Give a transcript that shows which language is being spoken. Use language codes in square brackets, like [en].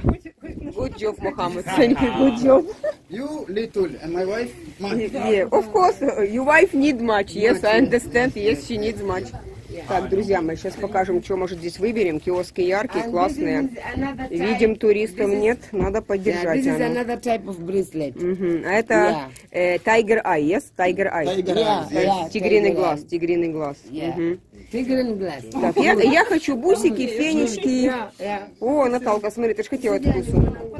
[en] Good job, Мухаммад. Good job. You little, and my wife, much. Yeah, of course, your wife needs much. Yes, I understand. Yes, she needs much. [ru] Так, друзья, мы сейчас покажем, что может здесь выберем. Киоски яркие, классные. Видим, туристов нет, надо поддержать. [en] This is another type of bracelet. [ru] А это [en] Tiger Eye, yes? Tiger Eye. Tiger Eye. [ru] Тигриный глаз, тигриный глаз. Тигриный глаз. Так, я хочу бусики, фенечки. О, Наталка, смотри, ты же хотела эту бусинку.